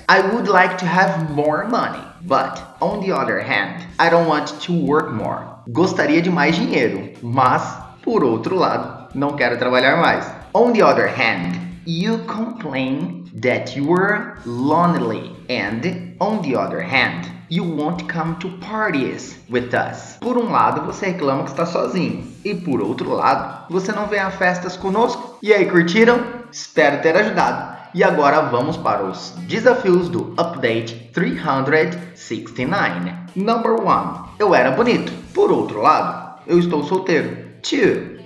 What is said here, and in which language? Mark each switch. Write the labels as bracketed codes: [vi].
[en] I would like to have more money, but on the other hand, I don't want to work more. [pt] Gostaria de mais dinheiro, mas, por outro lado, não quero trabalhar mais. [en] On the other hand, you complain that you were lonely. And, on the other hand, you won't come to parties with us. [pt] Por um lado, você reclama que está sozinho. E, por outro lado, você não vem a festas conosco. E aí, curtiram? Espero ter ajudado. E agora vamos para os desafios do Update 369. [en] Number 1. [pt] Eu era bonito. Por outro lado, eu estou solteiro. 2.